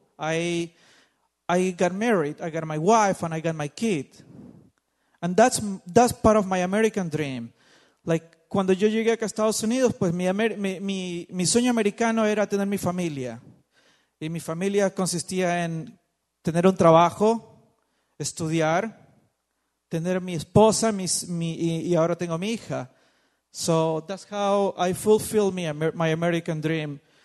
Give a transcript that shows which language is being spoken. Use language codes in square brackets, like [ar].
[en] I got married. I got my wife and I got my kid. And that's part of my American dream. [es] Like, cuando yo llegué acá a Estados Unidos, pues mi sueño americano era tener mi familia. Y mi familia consistía en tener un trabajo, estudiar, tener mi esposa, y ahora tengo mi hija. [en] So that's how I fulfilled my American dream.